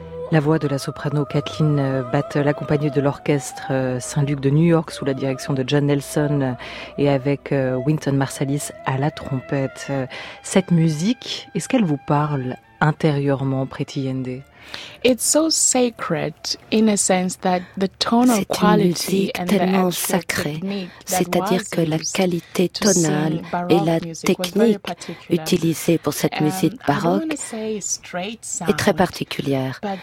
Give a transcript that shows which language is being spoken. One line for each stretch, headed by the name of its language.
French: La voix de la soprano Kathleen Battle, accompagnée de l'orchestre Saint-Luc de New York sous la direction de John Nelson et avec Wynton Marsalis à la trompette. Cette musique, est-ce qu'elle vous parle intérieurement, Pretty Yende?
English: It's so sacred in a sense that the tonal quality and the technique.
French: C'est une musique tellement sacrée, c'est-à-dire que la qualité tonale et la technique utilisée pour cette musique baroque est très particulière.